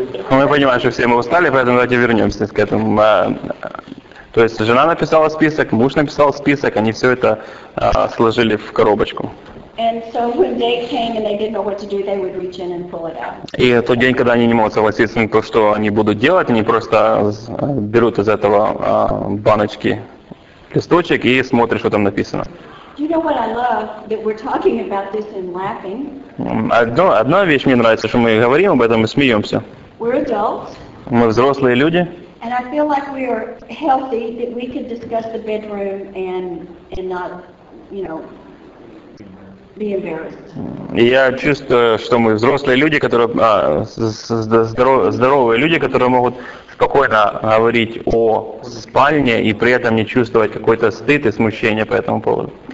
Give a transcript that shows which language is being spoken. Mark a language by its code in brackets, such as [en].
[ru] Мы понимаем, что все мы устали, поэтому давайте вернемся к этому. То есть жена написала список, муж написал список, они все это сложили в коробочку. [en] And so when they came and they didn't know what to do, they would reach in and pull it out. [ru] И тот день, когда они не могут согласиться на то, что они будут делать, они просто берут из этого баночки листочек и смотрят, что там написано. [en] Do you know what I love that we're talking about this and laughing? [ru] Одна вещь мне нравится, что мы говорим об этом и смеемся. [en] We're adults. [ru] Мы взрослые люди. [en] And I feel like we are healthy that we could discuss the bedroom and not, you know. [ru] И я чувствую, что мы взрослые люди, которые здоровые люди, которые могут спокойно говорить о спальне и при этом не чувствовать какой-то стыд и смущение по этому поводу.